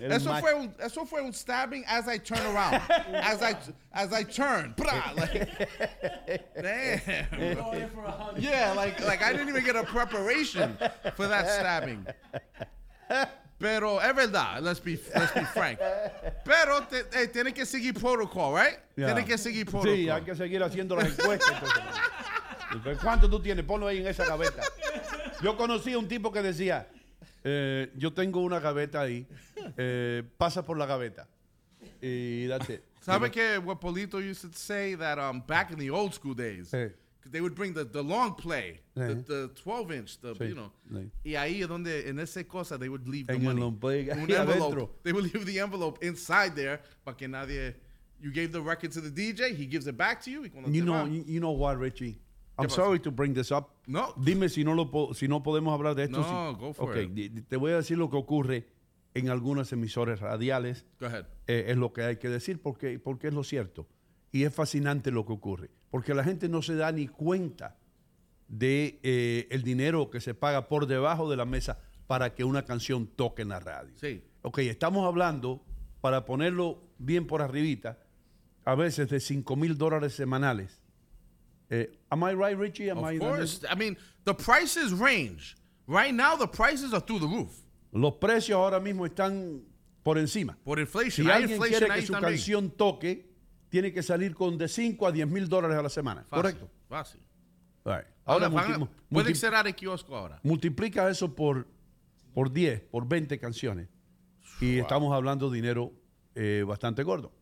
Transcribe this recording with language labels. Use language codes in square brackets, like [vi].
[es] Eso fue un [en] stabbing as I turn around. as I turn. Like I didn't even get a preparation for that stabbing. [es] Pero es verdad, [en] let's be frank. [es] Pero tiene que seguir protocol, right? Yeah. Tiene que seguir protocol. Sí, hay que seguir haciendo las encuestas. ¿Cuánto tú tienes? Ponlo ahí en esa gaveta. Yo conocí a un tipo que decía, yo tengo una gaveta ahí, pasa por la gaveta. Y date. ¿Sabe que [en] what Polito used to say that back in the old school days, they would bring the long play, the 12-inch, you know. [es] Sí. Y ahí donde, en ese cosa, [en] they would leave the money. [es] Un envelope. [en] They would leave the envelope inside there, [es] para que nadie, [en] you gave the record to the DJ, he gives it back to you. You know what, Richie? I'm sorry to bring this up. No. [es] Dime si no podemos hablar de esto. [en] No, go for it. [es] Okay, te voy a decir lo que ocurre en algunas emisoras radiales. [en] Go ahead. [es] Es lo que hay que decir porque es lo cierto. Y es fascinante lo que ocurre. Porque la gente no se da ni cuenta de el dinero que se paga por debajo de la mesa para que una canción toque en la radio. Sí. Ok, estamos hablando, para ponerlo bien por arribita, a veces de $5,000 semanales. [en] Am I right, Richie? Of course. I mean, the prices range. Right now, the prices are through the roof. [es] Los precios ahora mismo están por encima. Por inflation. Si alguien quiere que su canción toque, tiene que salir con de $5,000 to $10,000 a la semana. Fácil, ¿correcto? Fácil. [en] Right. Ahora [es] pueden cerrar el kiosco ahora. Multiplica eso por 10, por 20 canciones. Y estamos hablando de dinero bastante gordo.